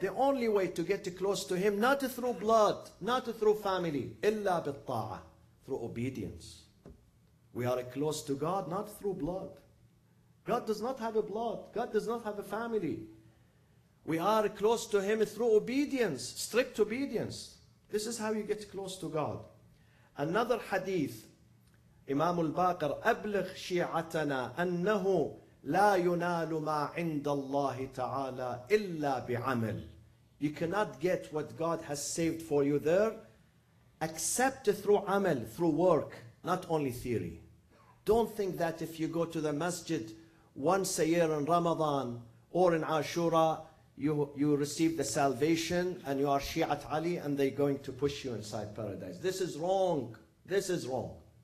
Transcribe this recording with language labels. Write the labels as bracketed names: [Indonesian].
[English] The only way to get close to him, not through blood, not through family, [Arabic] إِلَّا بِالطَّاعَةِ, [English] through obedience. We are close to God, not through blood. God does not have a blood. God does not have a family. We are close to him through obedience, strict obedience. This is how you get close to God. [Arabic] Another hadith, Imam al-Baqir, أبلغ شيعتنا أنه لا ينال ما عند الله تعالى إلا بعمل. [English] You cannot get what God has saved for you there except through عمل, through work, not only theory. Don't think that if you go to the masjid once a year in Ramadan or in Ashura, you receive the salvation and you are Shi'at Ali and they're going to push you inside paradise. This is wrong. This is wrong.